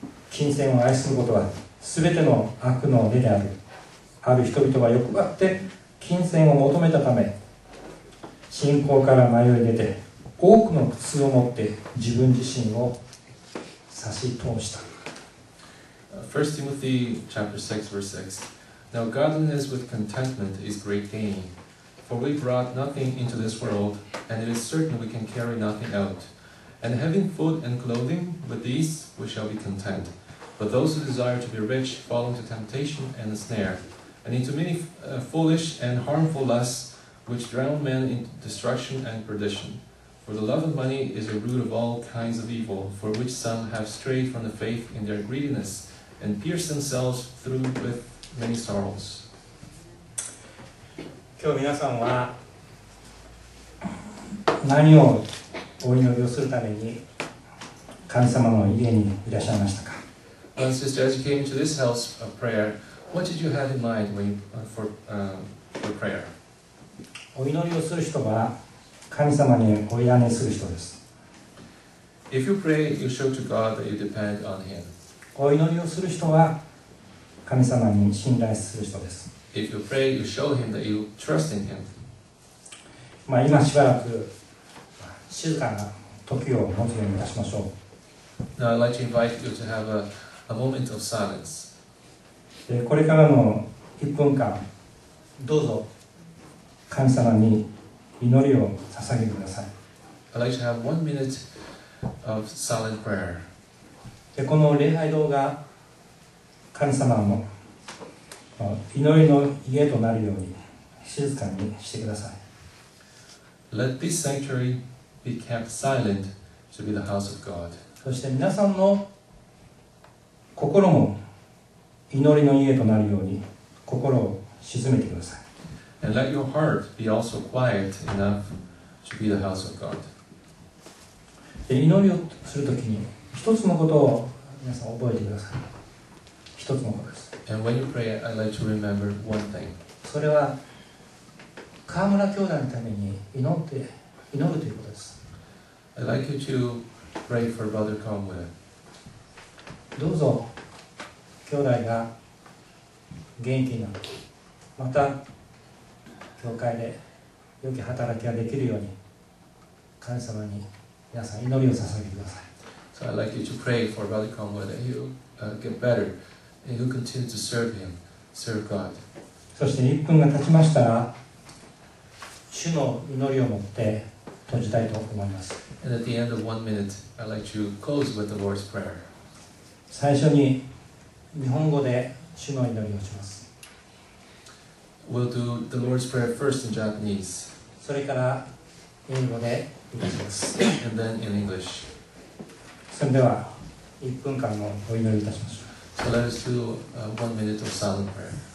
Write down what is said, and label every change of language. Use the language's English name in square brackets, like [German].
[Japanese] 金銭を愛することはすべての悪の根である。ある人々は欲張って金銭を求めたため信仰から迷い出て多くの苦痛を持って自分自身を差し通した。 [English] 1 Timothy chapter 6 verse 6. Now godliness with contentment is great gain. For we brought nothing into this world, and it is certain we can carry nothing out. And having food and clothing, with these we shall be content. But those who desire to be rich fall into temptation and a snare, and into many foolish and harmful lusts, which drown men in destruction and perdition. For the love of money is a root of all kinds of evil, for which some have strayed from the faith in their greediness, and pierced themselves through with many sorrows. [Japanese] 今日皆さんは何をお祈りをするために神様の家にいらっしゃいましたか? [English] Well, sister, as you came to this house of prayer, what did you have in mind when for prayer? [Japanese] お祈りをする人は神様にお委ねする人です。 [English] If you pray, you show to God that you depend on Him. [Japanese] お祈りをする人は神様に信頼する人です。 [English] If you pray, you show Him that you trust in Him. [Japanese] まあ、今しばらく静かな時を持つようにいたしましょう。 [English] Now I'd like to invite you to have a moment of silence. [Japanese] で、これからの1分間、どうぞ神様に祈りを捧げてください。 [English] I'd like to have 1 minute of silent prayer. [Japanese] で、この礼拝堂が神様の祈りの家となるように静かにしてください。 [English] Let this sanctuary be kept silent to be the house of God. [Japanese] そして皆さんの心も祈りの家となるように心を沈めてください。 [English] And let your heart be also quiet enough to be the house of God. [Japanese] で、祈りをするときに一つのことを皆さん覚えてください。一つのことです。 [English] And when you pray, I'd like to remember one thing. [Japanese] それは川村教団のために祈るということです。 [English] I'd like you to pray for Brother Conway. [Japanese] どうぞ兄弟が元気になって、また教会で良き働きができるように神様に皆さん祈りを捧げてください。 [English] So I'd like you to pray for Brother Conway that he'll get better and he'll continue to serve him, serve God. [Japanese] そして1分が経ちましたら主の祈りを持って閉じたいと思います。 [English] And at the end of 1 minute, I'd like to close with the Lord's Prayer. [Japanese] 最初に日本語で主の祈りをします。 [English] We'll do the Lord's Prayer first in Japanese. [Japanese] それから英語で祈ります。 [English] And then in English. [Japanese] それでは1分間のお祈りいたしましょう。 [English] So let us do 1 minute of silent prayer.